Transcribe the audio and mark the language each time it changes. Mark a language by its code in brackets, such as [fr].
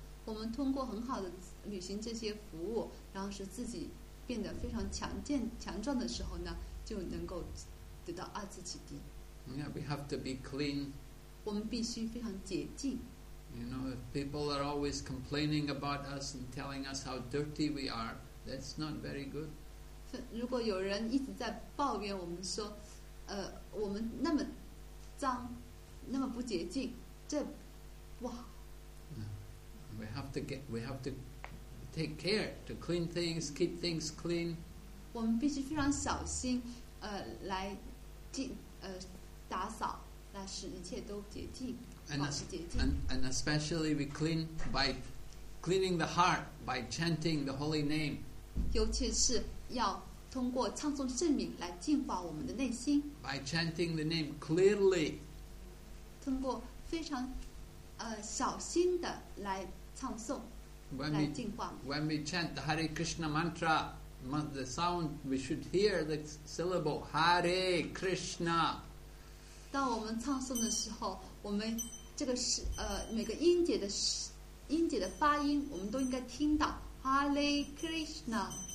[zh] 我们通过很好的履行这些服务，然后使自己变得非常强壮的时候呢，就能够得到二次启迪。 [en] Yeah, we have to be clean. [zh] 我们必须非常洁净。 [en] You know, if people are always complaining about us and telling us how dirty we are, that's not very good. [zh] 如果有人一直在抱怨我们说，我们那么脏，那么不洁净，这不好。 [en] We have to take care to clean things, keep things clean. [zh] 我们必须非常小心，来净，打扫，来使一切都洁净，保持洁净。 [en] And especially we clean by cleaning the heart by chanting the holy name. [zh] 尤其是要通过唱诵圣名来净化我们的内心。 [en] By chanting the name clearly. [zh] 通过非常，小心的来唱诵。 [en] When we chant the Hare Krishna mantra, the sound we should hear the syllable Hare Krishna. [zh] 当我们唱诵的时候，我们这个是每个音节的发音，我们都应该听到 Hare Krishna.